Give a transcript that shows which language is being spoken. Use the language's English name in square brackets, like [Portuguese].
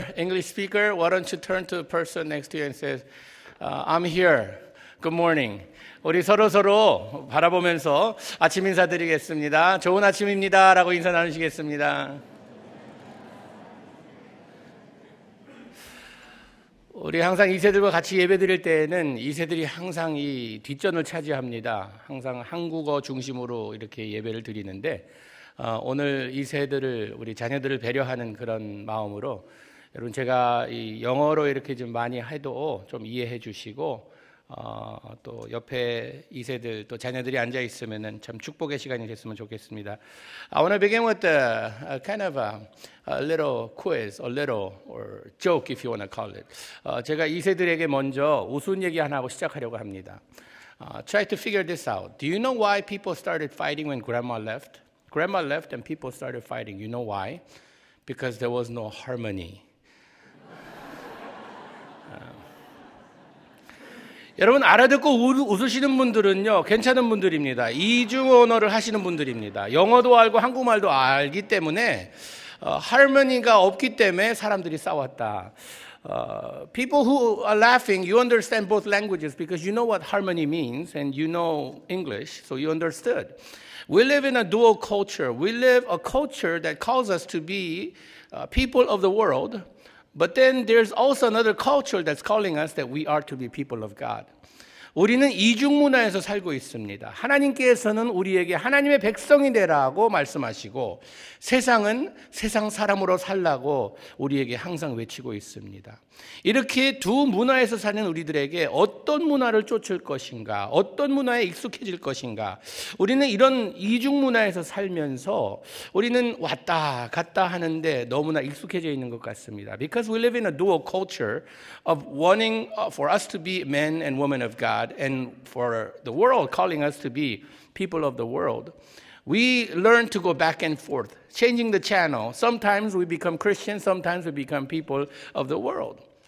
[English] English speaker, why don't you turn to the person next to you and say, I'm here. Good morning. [Korean] 우리 서로서로 바라보면서 아침 인사드리겠습니다. 좋은 아침입니다. 라고 인사 나누시겠습니다. 우리 항상 이세들과 같이 예배 드릴 때에는 이세들이 항상 이 뒷전을 차지합니다. 항상 한국어 중심으로 이렇게 예배를 드리는데 오늘 이세들을 우리 자녀들을 배려하는 그런 마음으로 여러분 제가 이 영어로 이렇게 좀 많이 해도 좀 이해해 주시고 또 옆에 이세들 또 자녀들이 앉아 있으면은 참 축복의 시간이 됐으면 좋겠습니다. [English] I want to begin with a little quiz, a little joke if you want to call it. [Korean] 제가 이세들에게 먼저 웃음 얘기 하나 하고 시작하려고 합니다. [English] Try to figure this out. Do you know why people started fighting when grandma left? Grandma left and people started fighting. You know why? Because there was no harmony. [Korean] 여러분 알아듣고 웃으시는 분들은요 괜찮은 분들입니다. 이중 언어를 하시는 분들입니다. 영어도 알고 한국말도 알기 때문에 harmony가 없기 때문에 사람들이 싸웠다. [English] People who are laughing, you understand both languages because you know what harmony means and you know English, so you understood. We live in a dual culture. We live a culture that calls us to be people of the world. But then there's also another culture that's calling us that we are to be people of God. [Korean] 우리는 이중 문화에서 살고 있습니다. 하나님께서는 우리에게 하나님의 백성이 되라고 말씀하시고 세상은 세상 사람으로 살라고 우리에게 항상 외치고 있습니다. 이렇게 두 문화에서 사는 우리들에게 어떤 문화를 쫓을 것인가, 어떤 문화에 익숙해질 것인가. 우리는 이런 이중 문화에서 살면서 우리는 왔다 갔다 하는데 너무나 익숙해져 있는 것 같습니다. [English] Because we live in a dual culture of wanting for us to be men and women of God. And for the world calling us to be people of the world, we learn to go back and forth, changing the channel. Sometimes we become Christians, sometimes we become people of the world.